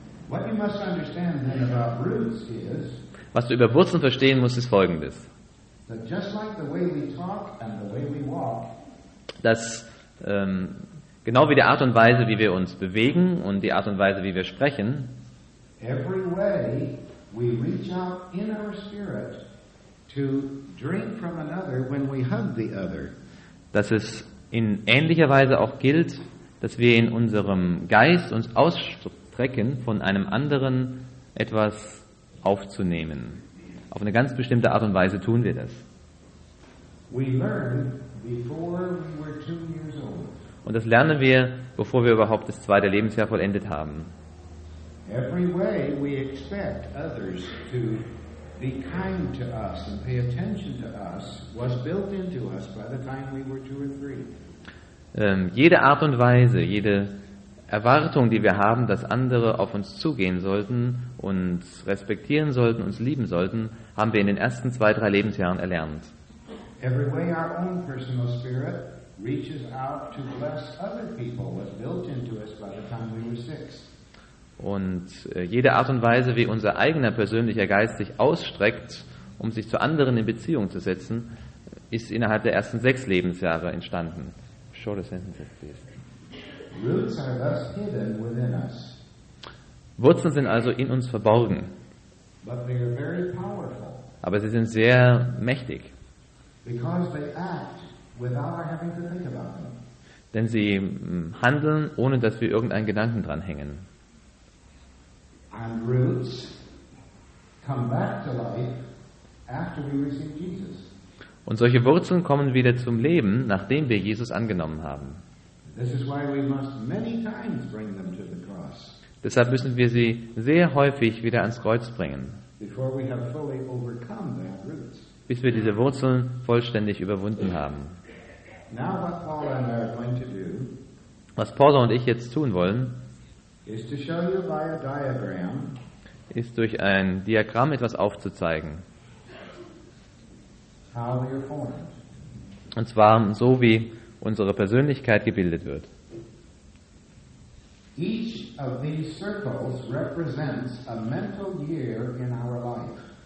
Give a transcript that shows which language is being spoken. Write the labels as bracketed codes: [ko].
[de] Was du über Wurzeln verstehen musst, ist Folgendes. Dass genau wie die Art und Weise, wie wir uns bewegen und die Art und Weise, wie wir sprechen, [en] every way we reach out in our spirit to drink from another when we hug the other. [de] Dass es in ähnlicher Weise auch gilt, dass wir in unserem Geist uns ausstrecken, von einem anderen etwas aufzunehmen. Auf eine ganz bestimmte Art und Weise tun wir das. [en] We learn before we were 2 years old. [de] Und das lernen wir, bevor wir überhaupt das zweite Lebensjahr vollendet haben. [en] Every way we expect others to be kind to us and pay attention to us was built into us by the time we were 2 or 3. [de] Jede Art und Weise, jede Erwartung, die wir haben, dass andere auf uns zugehen sollten, uns respektieren sollten, uns lieben sollten, haben wir in den ersten 2, 3 Lebensjahren erlernt. [en] Every way our own personal spirit reaches out to bless other people was built into us by the time we were 6. [de] Und jede Art und Weise, wie unser eigener persönlicher Geist sich ausstreckt, um sich zu anderen in Beziehung zu setzen, ist innerhalb der ersten 6 Lebensjahre entstanden. [en] Show the sentences, please. Roots are thus hidden within us. [de] Wurzeln sind also in uns verborgen. [en] But they are very powerful. [de] Aber sie sind sehr mächtig. [en] Because they act without our having to think about them. [de] Denn sie handeln, ohne dass wir irgendeinen Gedanken dran hängen. [en] And roots come back to life after we receive Jesus. [de] Und solche Wurzeln kommen wieder zum Leben, nachdem wir Jesus angenommen haben. [en] This is why we must many times bring them to the cross. [de] Deshalb müssen wir sie sehr häufig wieder ans Kreuz bringen, [en] before we have fully overcome that roots. [de] Bis wir diese Wurzeln vollständig überwunden haben. [en] Now what Paul and I are going to do, [de] was Paula und ich jetzt tun wollen, [en] ist, to show you by a diagram, [de] ist durch ein Diagramm etwas aufzuzeigen. [en] How we are formed. [de] Und zwar so, wie unsere Persönlichkeit gebildet wird. [en] Each of these circles represents a mental year in our life.